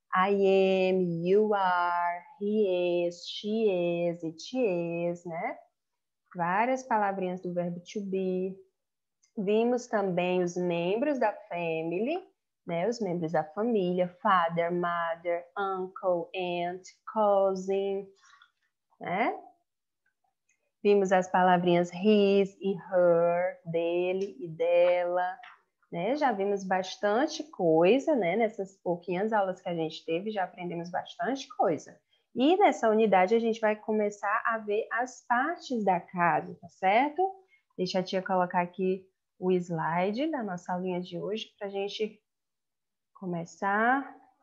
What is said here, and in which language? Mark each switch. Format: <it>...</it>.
<en>I am, you are, he is, she is, it is, né?</en> <pt>Várias palavrinhas do verbo to be. Vimos também os membros da family, né? Os membros da família.</pt> <en>Father, mother, uncle, aunt, cousin, né?</en> <pt>Vimos as palavrinhas his e her, dele e dela, né? Já vimos bastante coisa, né? Nessas pouquinhas aulas que a gente teve, já aprendemos bastante coisa. E nessa unidade a gente vai começar a ver as partes da casa, tá certo? Deixa a tia colocar aqui o slide da nossa aulinha de hoje para a gente começar.</pt>